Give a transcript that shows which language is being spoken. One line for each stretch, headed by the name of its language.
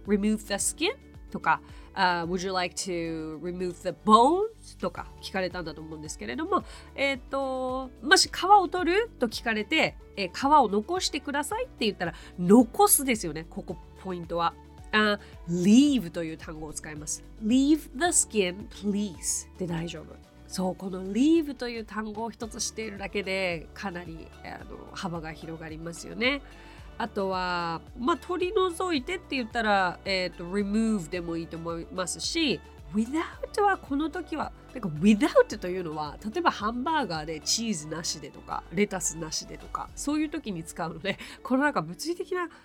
English: remove the skin
Japanese: とか、
English: would you like to remove the bones
Japanese: とか聞かれたんだと思うんですけれども、もし皮を取ると聞かれて、皮を残してくださいって言ったら残すですよね。ここポイントは、leave という単語を使います。
English: leave the skin please
Japanese: で大丈夫。そう、この leave という単語を一つ知っているだけでかなり幅が広がりますよね。あとは、まあ、取り除いてって言ったら、remove でもいいと思いますし、without はこの時は、なんか without というのは、例えばハンバーガーでチーズなしでとか、レタスなしでとか、そういう時に使うので、このなんか物理的な